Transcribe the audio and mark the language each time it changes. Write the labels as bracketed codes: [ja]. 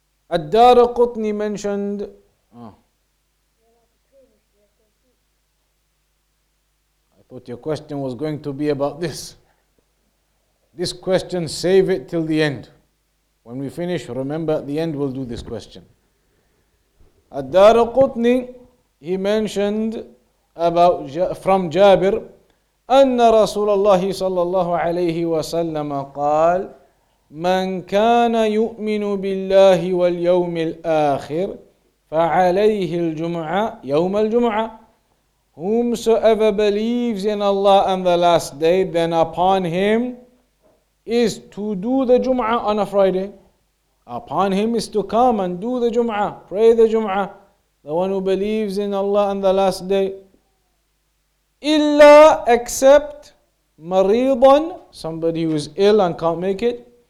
[en] Ad-Darqutni mentioned... I thought your question was going to be about this. This question, save it till the end. When we finish, remember at the end we'll do this question. Ad-Darqutni, he mentioned about from Jabir, [ar] أن رسول الله صلى الله عليه وسلم قال من كان يؤمن بالله واليوم الآخر فعليه الجمعة يوم الجمعة. [en] Whomsoever believes in Allah and the last day, then upon him is to do the Jum'ah on a Friday. Upon him is to come and do the Jum'ah, pray the Jum'ah. The one who believes in Allah and the last day. [ar] إِلَّا [en] except [ar] مَرِيضًا, [en] somebody who is ill and can't make it.